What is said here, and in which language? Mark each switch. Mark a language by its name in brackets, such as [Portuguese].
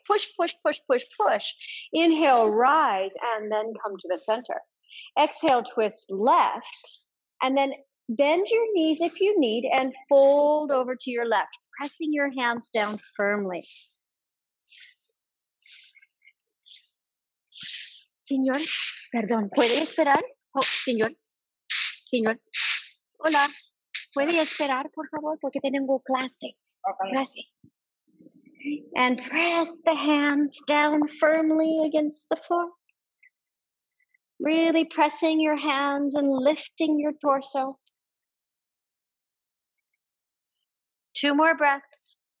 [English] Push, push, push, push, push. Inhale, rise, and then come to the center. Exhale, twist left, and then bend your knees if you need and fold over to your left, pressing your hands down firmly. [Spanish] Señor, perdón, ¿puede esperar? Oh, señor, señor. Hola, puede esperar, por favor, porque tengo clase. Okay. Clase. [English] And press the hands down firmly against the floor. Really pressing your hands and lifting your torso. Two more breaths.